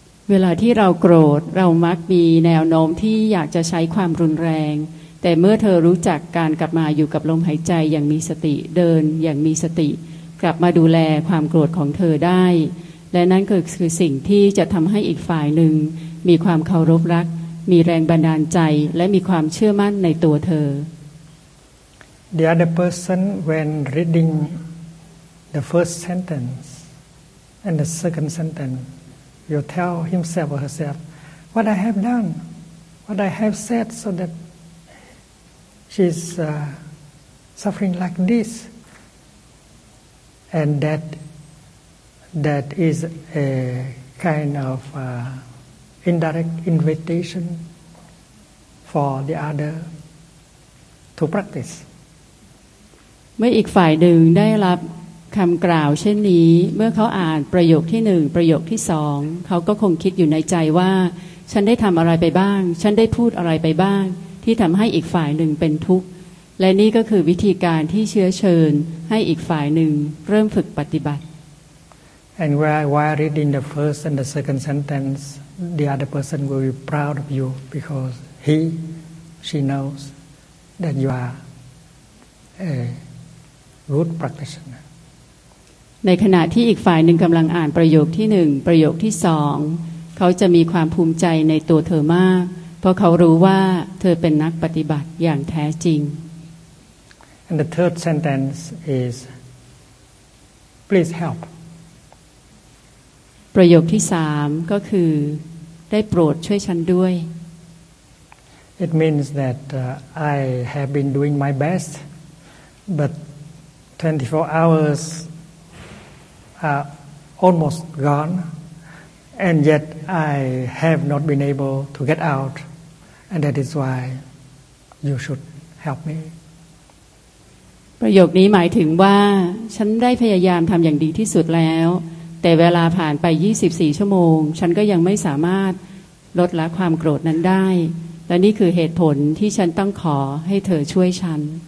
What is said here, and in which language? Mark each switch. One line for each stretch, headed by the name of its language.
Thai: เวลาที่เราโกรธเรามักมีแนวโน้มที่อยากจะใช้ความรุนแรงแต่เมื่อเธอรู้จักการกลับมาอยู่กับลมหายใจอย่างมีสติเดินอย่างมีสติกลับมาดูแลความโกรธของเธอได้และนั่นคือสิ่งที่จะทำให้อีกฝ่ายหนึ่งมีความเคารพรักมีแรงบันดาลใจและมีความเชื่อมั่นในตัวเธอ
English: The other person when reading the first sentenceAnd the second sentence, you tell himself or herself, what I have done, what I have said, so that she's suffering like this. And that is a kind of indirect invitation for the other to practice.
Thai: เมื่ออีกฝ่ายหนึ่งได้รับคำกล่าวเช่นนี้เมื่อเขาอ่านประโยคที่หนึ่งประโยคที่สองเขาก็คงคิดอยู่ในใจว่าฉันได้ทำอะไรไปบ้างฉันได้พูดอะไรไปบ้างที่ทำให้อีกฝ่ายหนึ่งเป็นทุกข์และนี่ก็คือวิธีการที่เชื้อเชิญให้อีกฝ่ายหนึ่งเริ่มฝึกปฏิบัติ
English: And while reading the first and the second sentence the other person will be proud of you because she knows that you are a good practitioner.
Thai: ในขณะที่อีกฝ่ายหนึ่งกำลังอ่านประโยคที่หนึ่งประโยคที่สอง ขาจะมีความภูมิใจในตัวเธอมากเพราะเขารู้ว่าเธอเป็นนักปฏิบัติอย่างแท้จริง
English: And the third sentence is please help
Thai: ประโยคที่สามก็คือได้โปรดช่วยฉันด้วย
English: It means that I have been doing my best but 24 hours are almost gone and yet I have not been able to get outAnd that is why you should help me.
Thai: ประโยคนี้หมายถึงว่าฉันได้พยายามทำอย่างดีที่สุดแล้วแต่เวลาผ่านไป24ชั่วโมงฉันก็ยังไม่สามารถลดละความโกรธนั้นได้และนี่คือเหตุผลที่ฉันต้องขอให้เธอช่วยฉัน